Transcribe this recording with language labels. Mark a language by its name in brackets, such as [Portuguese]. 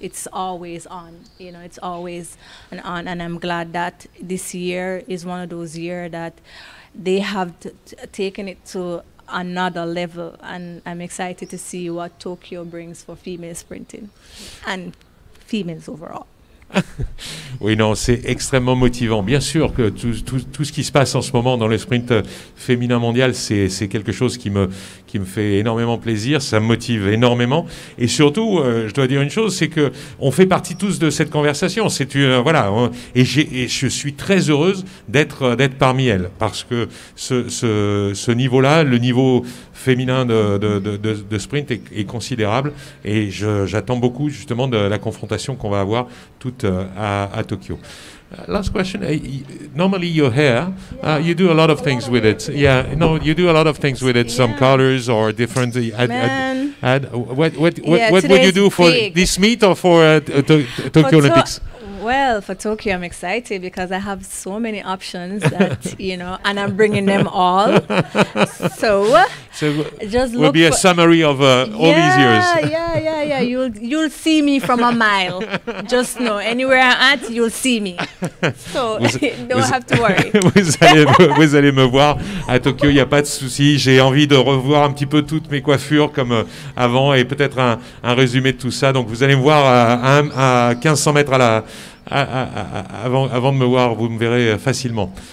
[English] It's always on. You know, it's always an on, and I'm glad that this year is one of those years that they have taken it to another level, and I'm excited to see what Tokyo brings for female sprinting and females overall. [French] Oui, non, c'est extrêmement motivant. Bien sûr que tout ce qui se passe en ce moment dans le sprint féminin mondial, c'est quelque chose qui me fait énormément plaisir. Ça me motive énormément. Et surtout, je dois dire une chose, c'est que on fait partie tous de cette conversation. C'est une voilà. Et je suis très heureuse d'être parmi elles, parce que ce niveau-là, le niveau féminin de sprint est considérable. Et j'attends beaucoup justement de la confrontation qu'on va avoir à Tokyo. [English] Last question. Normally your hair, you do a lot of things with it. Yeah, no, you do a lot of things with it. Yeah. Some colors or different. What would you do for big. This meet or for Tokyo for Olympics? Well, for Tokyo, I'm excited because I have so many options that, you know, and I'm bringing them all. Will be a summary of all these years. Yeah. You'll see me from a mile. Just know, anywhere I'm at, you'll see me. So, have to worry. [French] Vous allez me voir à Tokyo, il n'y a pas de souci. J'ai envie de revoir un petit peu toutes mes coiffures comme avant et peut-être un résumé de tout ça. Donc, vous allez me voir à 1500 mètres avant de me voir, vous me verrez facilement.